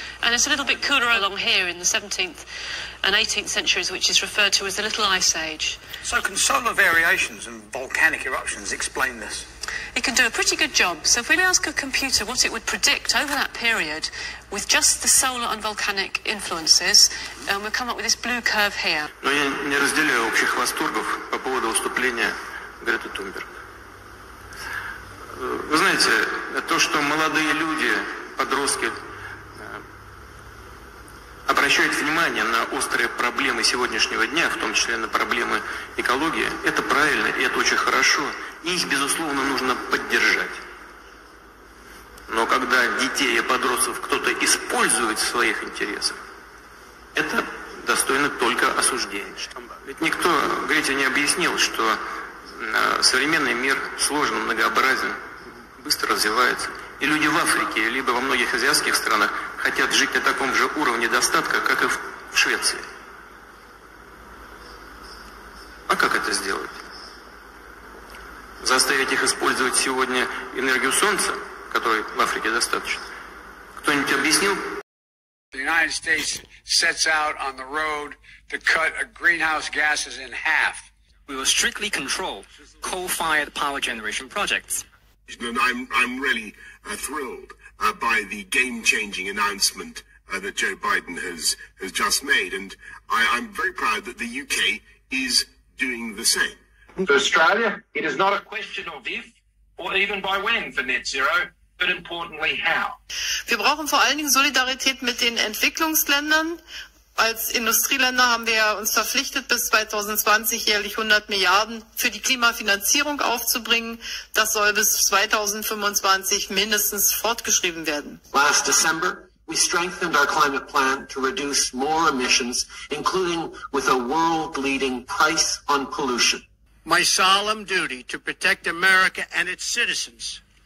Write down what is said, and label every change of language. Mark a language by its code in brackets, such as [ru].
[en] And it's a little bit cooler along here in the 17th and 18th centuries, which is referred to as the Little Ice Age. So can solar variations and volcanic eruptions explain this? It can do a pretty good job. So if we ask a computer what it would predict over that period with just the solar and volcanic influences, we'll come up with this blue curve here. [ru] Но я не разделяю общих восторгов по поводу выступления Греты Тунберг. Вы знаете, то, что молодые люди, подростки, обращают внимание на острые проблемы сегодняшнего дня, в том числе на проблемы экологии, это правильно и это очень хорошо. Их, безусловно, нужно поддержать. Но когда детей и подростков кто-то использует в своих интересах, это достойно только осуждения. Ведь никто Грете не объяснил, что современный мир сложен, многообразен, быстро развивается. И люди в Африке, либо во многих азиатских странах хотят жить на таком же уровне достатка, как и в Швеции. А как это сделать? заставить их использовать сегодня энергию солнца, которой в Африке достаточно? Кто-нибудь объяснил? [en] The United States sets out on the road to cut greenhouse gases in half. We will strictly control coal-fired power generation projects. I'm really thrilled by the game-changing announcement that Joe Biden has just made, and I'm very proud that the UK is doing the same. For Australia, it is not a question of if or even by when for net zero. But importantly, how? [de] Wir brauchen vor allen Dingen Solidarität mit den Entwicklungsländern. Als Industrieländer haben wir uns verpflichtet, bis 2020 jährlich 100 Milliarden für die Klimafinanzierung aufzubringen. Das soll bis 2025 mindestens fortgeschrieben werden. [en] Last December, we strengthened our climate plan to reduce more emissions, including with a world-leading price on pollution. My solemn duty to protect America and its citizens.